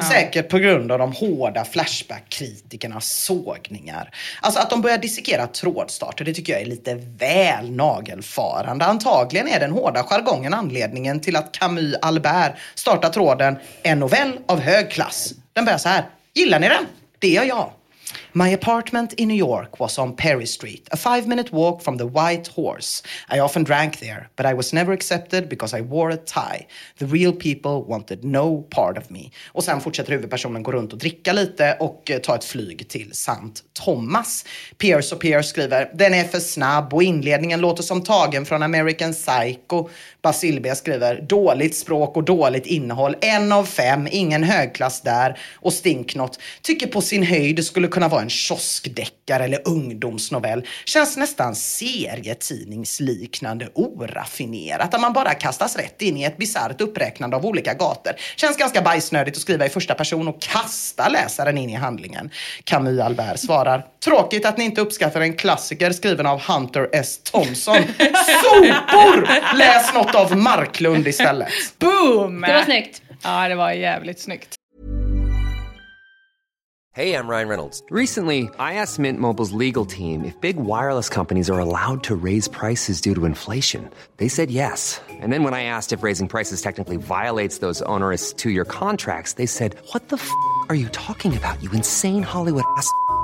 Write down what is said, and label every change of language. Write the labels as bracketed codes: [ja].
[sv] Säkert på grund av de hårda flashback-kritikernas sågningar. Alltså att de börjar dissekera trådstarter, det tycker jag är lite väl nagelfarande. Antagligen är den hårda jargongen anledningen till att Camus Albert startar tråden "en novell av hög klass". Den börjar så här: gillar ni den? Det gör jag. [en] "My apartment in New York was on Perry Street, a 5-minute walk from the White Horse. I often drank there, but I was never accepted because I wore a tie. The real people wanted no part of me." [sv] Och sen fortsätter huvudpersonen gå runt och dricka lite och ta ett flyg till St. Thomas. Pierce och Pierce skriver: den är för snabb och inledningen låter som tagen från American Psycho. Basil B skriver: dåligt språk och dåligt innehåll. 1 av 5, ingen högklass där. Och Stinknot tycker på sin höjd skulle kunna vara en kioskdeckare eller ungdomsnovell. Känns nästan serietidningsliknande oraffinerat, att man bara kastas rätt in i ett bisarrt uppräknande av olika gator. Känns ganska bajsnödigt att skriva i första person och kasta läsaren in i handlingen. Camus Albert svarar: tråkigt att ni inte uppskattar en klassiker skriven av Hunter S. Thompson. Sopor! Läs något av Marklund istället. Boom! Det var snyggt. Ja, det var jävligt snyggt. [en] Hey, I'm Ryan Reynolds. Recently, I asked Mint Mobile's legal team if big wireless companies are allowed to raise prices due to inflation. They said yes. And then when I asked if raising prices technically violates those onerous 2-year contracts, they said, what the f*** are you talking about, you insane Hollywood ass f-.